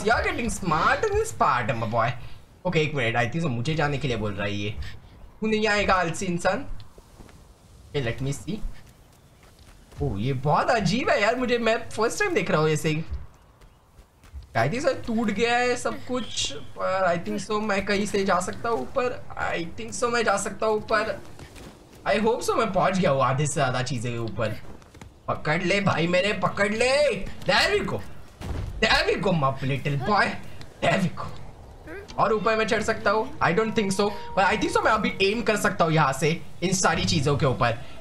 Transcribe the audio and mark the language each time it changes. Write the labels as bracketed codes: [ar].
[en] You're getting smart in this part, my boy. Okay, [hi] एक minute. [en] I think so. [hi] मुझे जाने के लिए बोल रहा है ये. तू नहीं आएगा आलसी इंसान. [en] Okay, let me see. [hi] Oh, ये बहुत अजीब है यार. मुझे मैं first time देख रहा हूँ ऐसे. [en] I think so. [hi] टूट गया है सब कुछ. [en] पर I think so. [hi] मैं कहीं से जा सकता हूँ ऊपर. [en] I think so. [hi] मैं जा सकता हूँ ऊपर. [en] I hope so. [hi] मैं पहुँच गया हूँ आधे से ज़्यादा चीज़ें ऊपर. पकड़ ले भाई मेरे. पकड़ ले. [en] There we go my little boy. There we go. [hi] और ऊपर मैं चढ़ सकता हूँ. [en] I don't think so. But I think so [hi] मैं अभी एम कर सकता हूँ यहाँ से इन सारी चीजों के ऊपर.